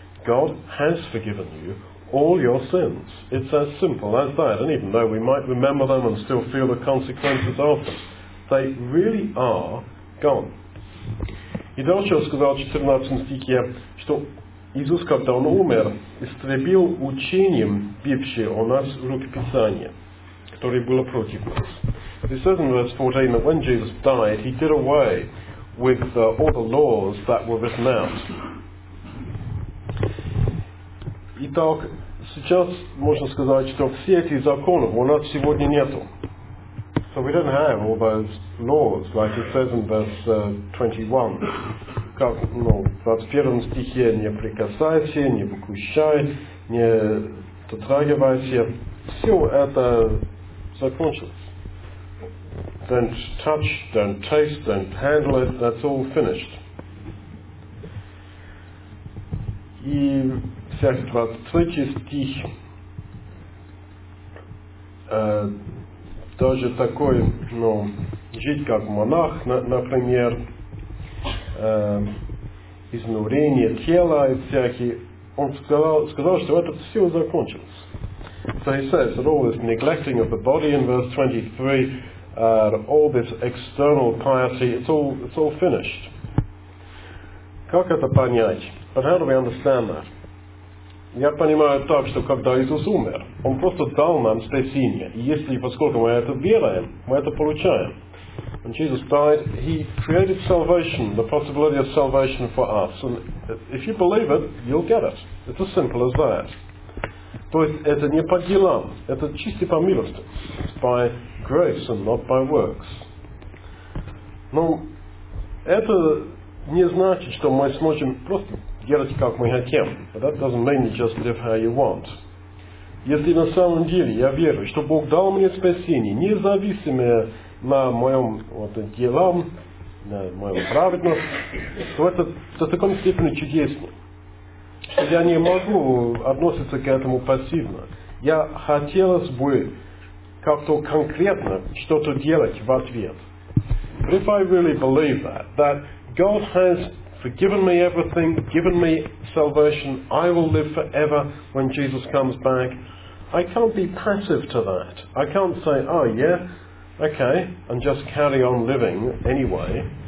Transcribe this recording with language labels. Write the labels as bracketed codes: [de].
[en] God has forgiven you all your sins. It's as simple as that. And even though we might remember them and still feel the consequences of them, they really are gone. [ru] И дальше он сказал в 14 стихе, что Иисус, когда Он умер, истребил учением, бившее у нас рукописание, которое было против нас. [en] He says in verse 14 that when Jesus died, he did away with all the laws that were written out. [ru] Итак, сейчас можно сказать, что все эти законы у нас сегодня нету. [en] So we don't have all those laws, like it says in verse 21. [ru] Как, ну, 21 стихе, не прикасайся, не покушай, не дотрагивайся. Все это закончилось. [en] Don't touch, don't taste, don't handle it, that's all finished. [ru] И всякий 23 стих, даже такой, ну, жить как монах, например, изнурение тела и всякий, он сказал, что это все закончилось. [en] So he says that all this neglecting of the body in verse 23, all this external piety, it's all finished. [ru] Как это понять? [en] But how do we understand that? [ru] Я понимаю так, что когда Иисус умер, Он просто дал нам спасение. И если, поскольку мы это веруем, мы это получаем. [en] When Jesus died, He created salvation, the possibility of salvation for us. And if you believe it, you'll get it. It's as simple as that. [ru] То есть это не по делам, это чисто по милости. [en] It's by grace and not by works. [ru] Но это не значит, что мы сможем просто делать, как мы хотим. [en] But that doesn't mean you just live how you want. [ru] Если на самом деле я верю, что Бог дал мне спасение, независимо на моем вот, делам, на моем праведности, то это в таком степени чудесно. Что я не могу относиться к этому пассивно. Я хотелось бы как-то конкретно что-то делать в ответ. [en] But if I really believe that God has forgiven me everything, given me salvation, I will live forever when Jesus comes back, I can't be passive to that. I can't say, oh yeah, okay, and just carry on living anyway.